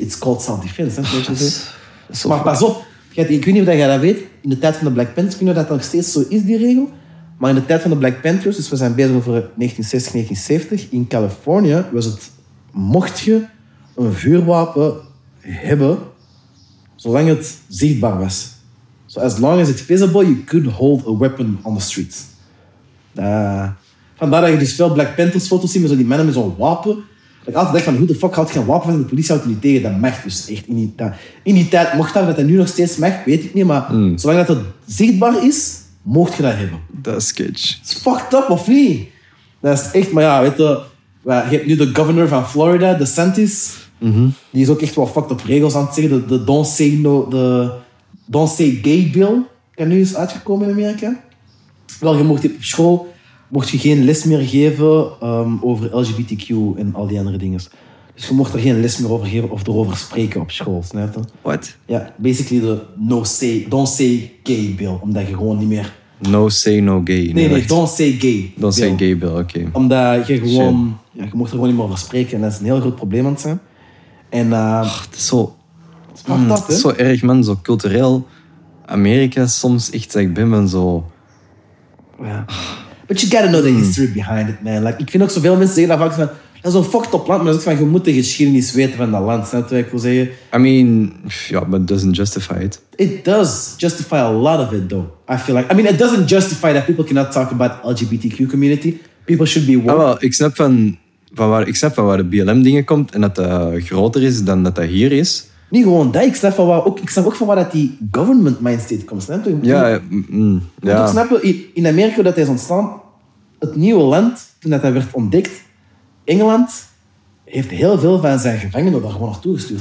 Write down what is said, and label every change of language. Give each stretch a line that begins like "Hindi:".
English: It's called self-defense.
Dutch: Maar pas op. Ik weet niet of jij dat weet. In de tijd van de Black Panthers, kun je dat nog steeds zo is, die regel. Maar in de tijd van de Black Panthers, dus we zijn bezig over 1960, 1970, in Californië was het, mocht je... een vuurwapen hebben zolang het zichtbaar was.
English: So as long as it's visible, you could hold a weapon on the streets.
Dutch: Vandaar dat je dus veel Black Panthers foto's ziet met zo die mannen met zo'n wapen. Dat ik altijd denk van, hoe de fuck houdt je een wapen van de politie houdt je niet tegen? Dat mag dus echt. In die tijd mocht dat, nu nog steeds mag, weet ik niet, maar zolang dat het zichtbaar is, mocht je dat hebben. Dat is sketch.
English: It's fucked up,
Dutch: of niet? Dat is echt, maar ja, weet je... Je hebt nu de governor van Florida, DeSantis. Mm-hmm. Die is ook echt wel fucked op regels aan het zeggen. De don't say gay bill kan nu eens uitgekomen in Amerika. Wel, je mocht op school mocht je geen les meer geven over LGBTQ en al die andere dingen. Dus je mocht er geen les meer over geven of erover spreken op school. Snijdt het?
English: What?
Dutch: Ja, basically de don't say gay bill. Omdat je gewoon niet meer...
English: No say no gay. Nee, don't say gay. Don't say gay bill, oké.
Dutch: Okay. Omdat je gewoon... Shit. Ja, je mocht er gewoon niet meer over spreken. En dat is een heel groot probleem aan het zijn. En Het is zo... Het is zo erg, man. Zo cultureel. Amerika soms echt, ik ben van zo... Ja.
English: But you gotta know the history behind it, man.
Dutch: Like, ik vind ook zoveel mensen zeggen dat vaak van... Dat is een fucked up land. Maar dat is van, je moet de geschiedenis weten van dat land. Snap je wat ik wil zeggen?
English: I mean... Ja, yeah, but it doesn't justify it. It does justify a lot of it, though. I feel like... I mean, it doesn't justify that people cannot talk about the LGBTQ community. People should be woke.
Dutch: Ah, well, ik snap van... Ik snap van waar de BLM dingen komt en dat dat groter is dan dat dat hier is. Niet gewoon dat. Ik snap, ook van waar dat die government mindset komt. Snap je? Ja. Ik snap in Amerika dat hij is ontstaan. Het nieuwe land, toen dat hij werd ontdekt, Engeland, heeft heel veel van zijn gevangenen daar gewoon naartoe gestuurd.